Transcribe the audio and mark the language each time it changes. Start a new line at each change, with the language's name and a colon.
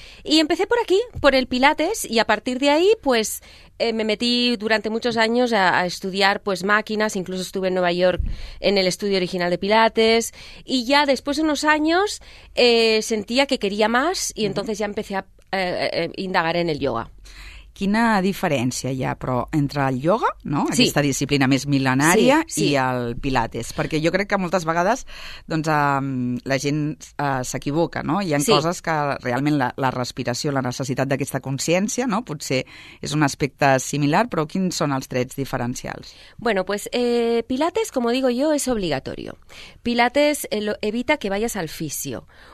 Spanish: Y empecé por aquí, por el Pilates, y a partir de ahí, pues me metí durante muchos años a estudiar pues máquinas, incluso estuve en Nueva York en el estudio original de Pilates, y ya después de unos años sentía que quería más, y entonces ya empecé a indagar en el yoga.
Catalan: Quina diferència hi ha, però, entre el ioga, no? Sí. Aquesta disciplina més mil·lenària, sí, sí, i el pilates? Perquè jo crec que moltes vegades doncs, la gent s'equivoca, no? Hi ha coses que realment la respiració, la necessitat d'aquesta consciència, no? Potser és un aspecte similar, però quins són els trets diferencials?
Spanish: Bueno, pues pilates, como digo yo, es obligatorio. Pilates evita que vayas al fisio.